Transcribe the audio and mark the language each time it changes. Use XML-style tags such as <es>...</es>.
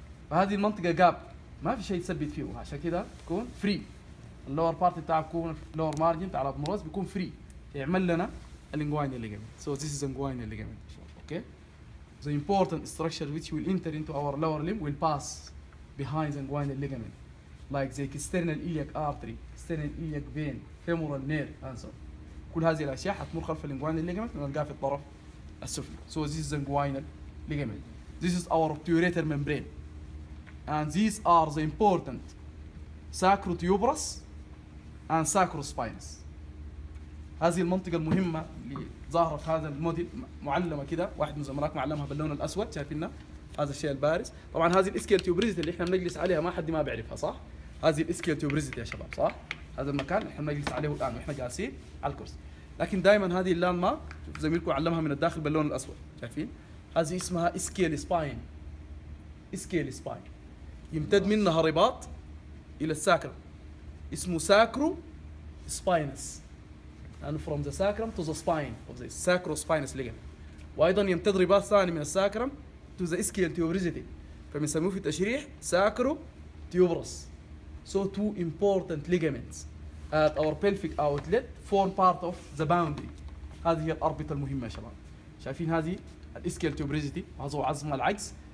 <ar>فهذه المنطقة جاب ما في شيء تثبت فيه عشان كده تكون فري اللور بارت بتاع يكون اللور مارجن بتاع الأبنروس بيكون فري يعمل لنا الانجواين اللي جنبه</ar> <en>so this is inguinal اللي جنبه okay the important structure which will enter into our lower limb will pass behind the inguinal اللي جنبه like the external iliac artery, external iliac vein, femoral nerve, and so on.</en> <ar>كل هذه الأشياء حتمر خلف الانجواينال ليجمنت ونلقاها في الطرف السفلي.</ar> <en>So this is the inguinal ligament. This is our obturator membrane. And these are the important sacrotuberous and sacrospinous.</en> <ar>هذه المنطقة المهمة اللي ظاهرة في هذا الموديل معلمة كده، واحد من زملائك معلمها باللون الأسود، شايفينها؟ هذا الشيء البارز طبعا هذه الاسكيال تيوبريزيتي اللي احنا بنجلس عليها ما حد ما بيعرفها صح هذه الاسكيال تيوبريزيتي يا شباب صح هذا المكان احنا بنجلس عليه الان واحنا جالسين على الكرسي لكن دائما هذه اللاند مارك زميلكم علمها من الداخل باللون الاسود شايفين هذه اسمها اسكيال سباين اسكيال سباين يمتد منها رباط الى الساكرو اسمه ساكرو سباينس</ar> <en>and from the sacrum to the spine of the sacrospinous ligament.</en> <ar>وايضا يمتدري باث ثاني من الساكرم</ar> <en>to the ischial tuberosity.</en> <ar>فبنسموه في التشريح sacro tuberous.</ar> <en>So two important ligaments at our pelvic outlet form part of the boundary.</en> <ar>هذه هي الاربطه المهمه يا شباب. شايفين هذه الاسكيال تيوبريزيتي وهذا هو عظم العجز.</ar>